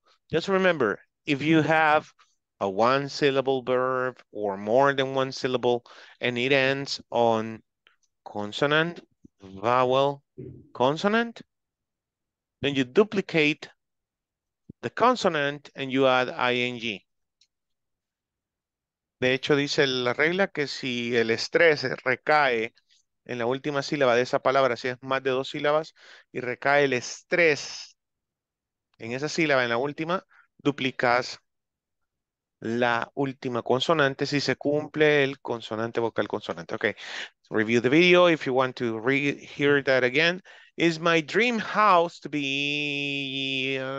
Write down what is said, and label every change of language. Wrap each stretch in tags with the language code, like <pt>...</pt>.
<en>Just remember, if you have a one syllable verb or more than one syllable and it ends on consonant, vowel, consonant, then you duplicate the consonant and you add ing.</en> <es>De hecho, dice la regla que si el estrés recae en la última sílaba de esa palabra, si es más de dos sílabas y recae el estrés en esa sílaba, en la última, duplicas la última consonante si se cumple el consonante vocal consonante.</es> <en>Okay, review the video if you want to hear that again. Is my dream house to be...</en>